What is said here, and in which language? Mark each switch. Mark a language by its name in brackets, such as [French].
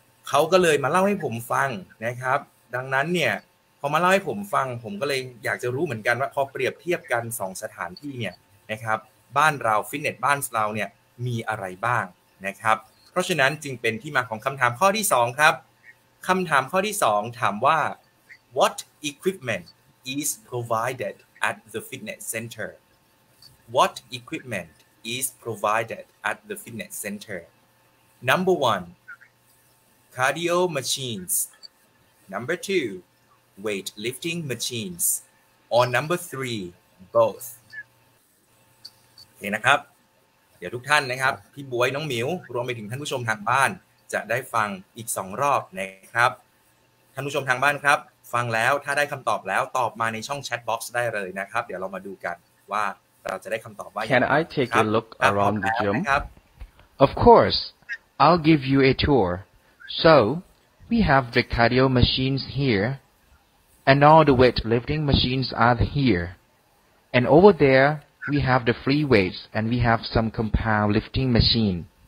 [Thai] เขาก็เลยมาเล่าให้ผมฟังนะครับดังนั้นเนี่ยพอมาเล่าให้ผมฟังผมก็เลยอยากจะรู้เหมือนกันว่าพอเปรียบเทียบกัน2สถานที่เนี่ยนะครับบ้านเราฟิตเนสบ้านเราเนี่ยมีอะไรบ้างนะครับเพราะฉะนั้นจึงเป็นที่มาของคำถามข้อที่2ครับคำถามข้อที่2ถามว่า [English] What equipment is provided at the fitness center? What equipment is provided at the fitness center? Number 1 cardio machines. Number 2weightlifting machines or number 3 both [Thai] โอเคนะครับเดี๋ยวทุกท่านนะครับพี่บวยน้องหมิวรวมไปถึงท่านผู้ชมทางบ้านจะได้ฟังอีก2รอบนะครับท่านผู้ชมทางบ้านครับฟังแล้วถ้าได้คำตอบแล้วตอบมาในช่องแชทบ็อกซ์ได้เลยนะครับเดี๋ยวเรามาดูกันว่าเราจะได้คำตอบว่า [English] Can I take a look around the gym? Of course. I'll give you a tour. So, we have the cardio machines hereAnd all the weightlifting machines are here. And over there, we have the free weights and we have some compound lifting machine.